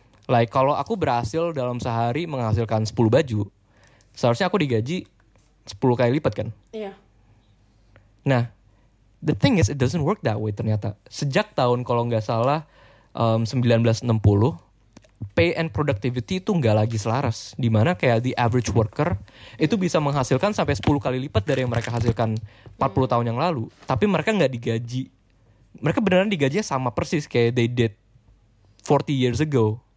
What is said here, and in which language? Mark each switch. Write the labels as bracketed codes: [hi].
[en] Like [id] kalau aku berhasil dalam sehari menghasilkan 10 baju, seharusnya aku digaji 10 kali lipat kan? Iya. Nah, [en] the thing is it doesn't work that way [id] ternyata. Sejak tahun kalau nggak salah 1960, [en] pay and productivity [id] itu nggak lagi selaras. Dimana kayak [en] the average worker [id] itu bisa menghasilkan sampai 10 kali lipat dari yang mereka hasilkan 40 tahun yang lalu. Tapi mereka nggak digaji. Mereka beneran digajinya sama persis kayak [en] they did 40 years ago.